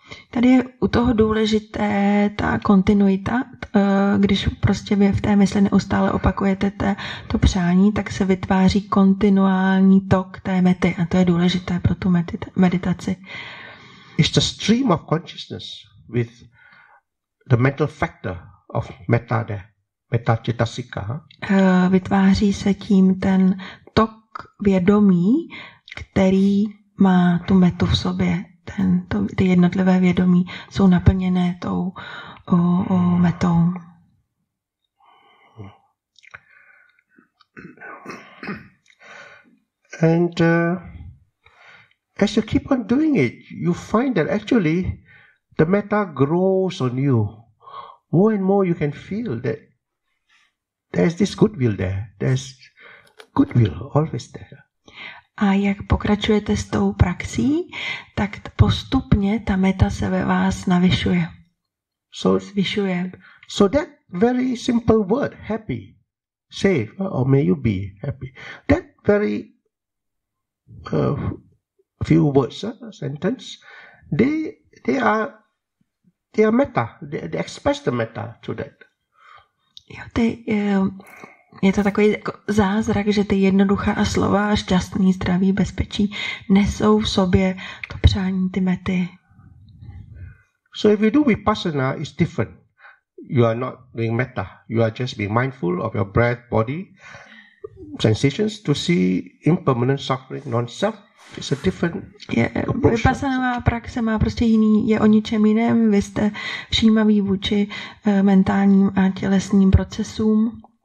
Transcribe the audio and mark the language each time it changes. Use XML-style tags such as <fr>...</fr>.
<cs>Tady je u toho důležité ta kontinuita, když prostě vy v té mysli neustále opakujete to přání, tak se vytváří kontinuální tok té mety, a to je důležité pro tu meditaci.</cs> <en>It's the stream of consciousness with the mental factor of metta there, metta cittasika.</en> <cs>Vytváří se tím ten tok vědomí, který má tu metu v sobě. Ty jednotlivé vědomí jsou naplněné tou metou.</cs> <en>And as you keep on doing it, you find that actually the metta grows on you. More and more you can feel that There's this goodwill there. There's goodwill always there.</en> <cs>A jak pokračujete s tou praxí, tak postupně ta meta se ve vás navyšuje.</cs> <en>So</en> <cs>zvyšuje.</cs> <en>So that very simple word, happy, safe, or may you be happy. That very few words, sentence, they are meta. They express the meta to that.</en> <cs>Jo, ty, je to takový jako zázrak, že ty jednoduchá slova, šťastný, zdravý, bezpečí, nesou v sobě to přání, ty mety.</cs> <en>So if you do vipassana, it's different. You are not doing metta. You are just being mindful of your breath, body, sensations to see impermanent suffering, non-self. It's a different approach.</en> <cs>Vypasanová praxe má prostě jiný, je o ničem jiném. Vy jste všímavý vůči mentálním a tělesným procesům.</cs>